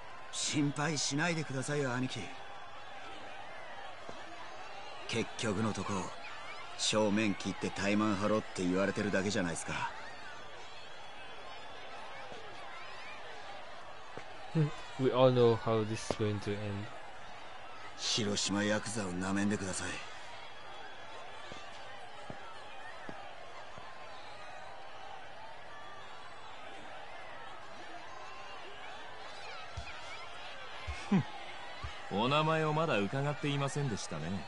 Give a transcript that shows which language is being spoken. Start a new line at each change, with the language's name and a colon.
Japanese: 心配しないでくださいよ兄貴。結局のとこ正面切ってタイマン張ろうって言われてるだけじゃないですか。
English: We all know how this is going to end.
Japanese: 広島ヤクザをなめんでください。お名前をまだ伺っていませんでしたね。